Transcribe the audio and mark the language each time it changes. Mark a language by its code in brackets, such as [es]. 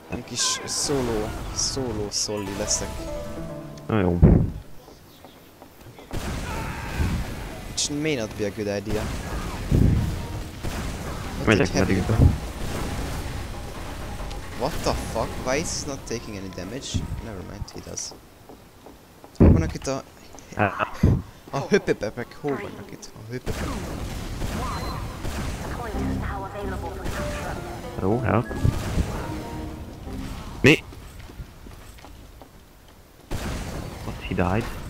[hu] Egy kis szóló szolli leszek. Na jó. [en] Which may not be a good idea. [hu] Megyek meddig be. [en] What the fuck? Why is he not taking any damage? Never mind, he does. [hu] Hol vannak itt a... A hüppepepek, hol vannak itt? A hüppepepek. [en] Hello, help. [hu] Mi? [en] What, he died?